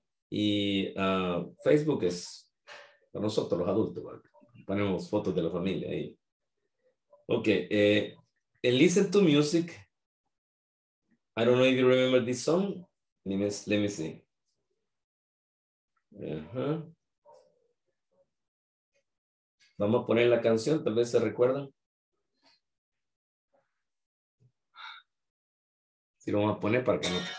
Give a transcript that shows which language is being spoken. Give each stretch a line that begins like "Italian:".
Spanish: Y Facebook es para nosotros, los adultos, ¿verdad? Ponemos fotos de la familia ahí. Ok.
English: En Listen to Music, I don't know if you remember this song. Let me see.
Spanish: Vamos a poner la canción, tal vez se recuerdan. Sí, lo vamos a poner para que no.